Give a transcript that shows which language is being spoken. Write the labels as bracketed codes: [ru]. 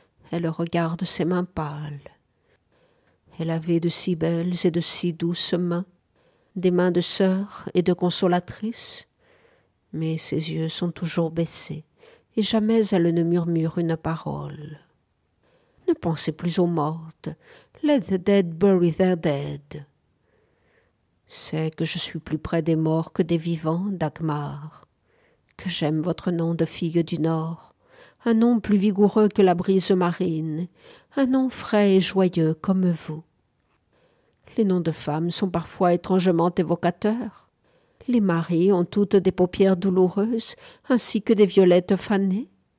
[fr] Elle regarde ses mains pâles. Elle avait de si belles et de si douces mains, des mains de sœur et de consolatrice. Mais ses yeux sont toujours baissés et jamais elle ne murmure une parole. Ne pensez plus aux mortes. [en] Let the dead bury their dead. [fr] C'est que je suis plus près des morts que des vivants, Dagmar, que j'aime votre nom de fille du Nord, un nom plus vigoureux que la brise marine, un nom frais et joyeux comme vous. Les noms de femmes sont parfois étrangement évocateurs. Les maris ont toutes des paupières douloureuses, ainsi que des violettes fanées.